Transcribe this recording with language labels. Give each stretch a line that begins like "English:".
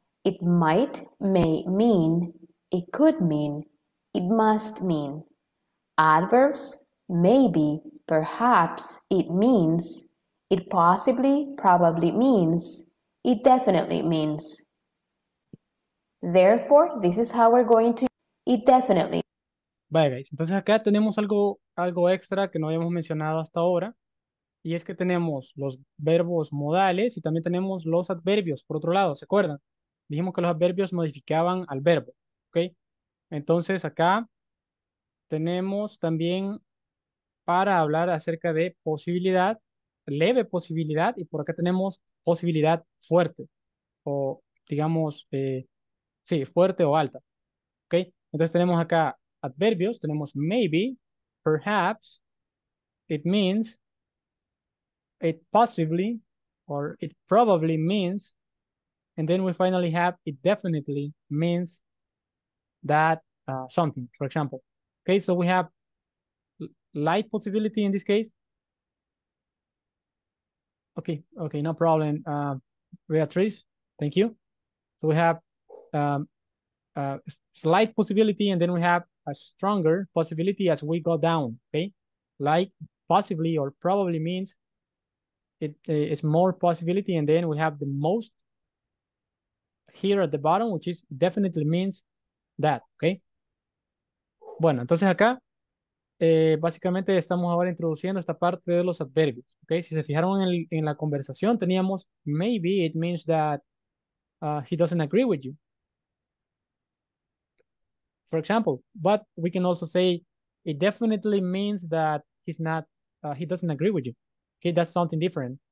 English: It might, may, mean, it could mean, it must mean. Adverbs, maybe, perhaps, it means, it possibly, probably means, it definitely means. Therefore, this is how we're going to, it definitely.
Spanish: Vale, guys, entonces acá tenemos algo extra que no habíamos mencionado hasta ahora, y es que tenemos los verbos modales y también tenemos los adverbios, por otro lado, ¿se acuerdan? Dijimos que los adverbios modificaban al verbo, ¿ok? Entonces acá tenemos también para hablar acerca de posibilidad, leve posibilidad, y por acá tenemos posibilidad fuerte, o digamos, sí, fuerte o alta, ¿ok? Entonces tenemos acá adverbios, tenemos
English: maybe, perhaps, it means, it possibly, or it probably means, and then we finally have it definitely means that something, for example. Okay, so we have light possibility in this case. Okay, no problem, Beatrice, thank you. So we have slight possibility, and then we have a stronger possibility as we go down, okay? Like possibly or probably means it is more possibility, and then we have the most here at the bottom, which is definitely means that, okay?
Spanish: Bueno, entonces acá, básicamente estamos ahora introduciendo esta parte de los adverbios, okay? Si se fijaron en la conversación, teníamos
English: maybe it means that he doesn't agree with you. For example, but we can also say it definitely means that he's not, he doesn't agree with you. Okay, that's something different.